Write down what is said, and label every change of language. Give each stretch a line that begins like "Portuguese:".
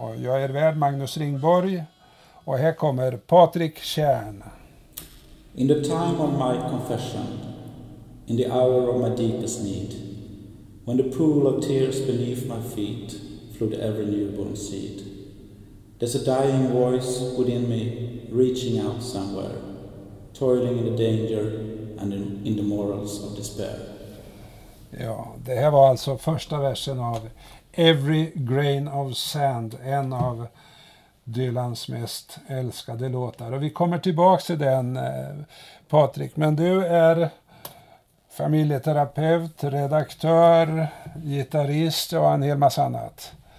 Swedish: Jag är värd Magnus Ringborg. Och här kommer Patrik Kärn.
English: In the time of my confession, in the hour of my deepest need, when the pool of tears beneath my feet flowed every newborn seed, there's a dying voice within me reaching out somewhere, toiling in the danger and in the morals of despair.
Swedish: Ja, det här var alltså första versen av Every Grain of Sand, en av Dylans mest älskade låtar. Och vi kommer tillbaka till den, Patrik. Men du är familjeterapeut, redaktör, gitarrist och en hel massa annat.